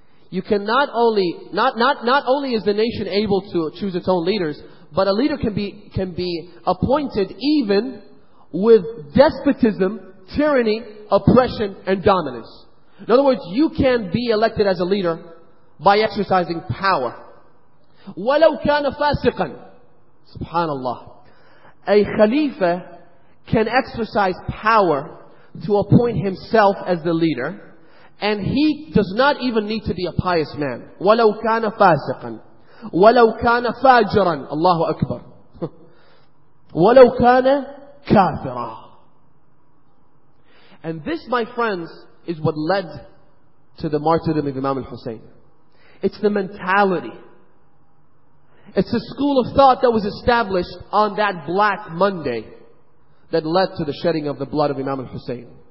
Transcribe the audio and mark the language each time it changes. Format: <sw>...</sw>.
<en>You can not only is the nation able to choose its own leaders, but a leader can be appointed even with despotism, tyranny, oppression, and dominance. In other words, you can be elected as a leader by exercising power.</en> <ar>وَلَوْ كَانَ فَاسِقًا SubhanAllah.</ar> <en>A khalifa can exercise power to appoint himself as the leader, and he does not even need to be a pious man.</en> <ar>وَلَوْ كَانَ فَاسِقًا وَلَوْ كَانَ فَاجِرًا Allahu Akbar. وَلَوْ كَانَ كَافِرًا.</ar> <en>And this, my friends, is what led to the martyrdom of Imam al-Hussein. It's the mentality. It's the school of thought that was established on that Black Monday that led to the shedding of the blood of Imam al-Hussein.</en>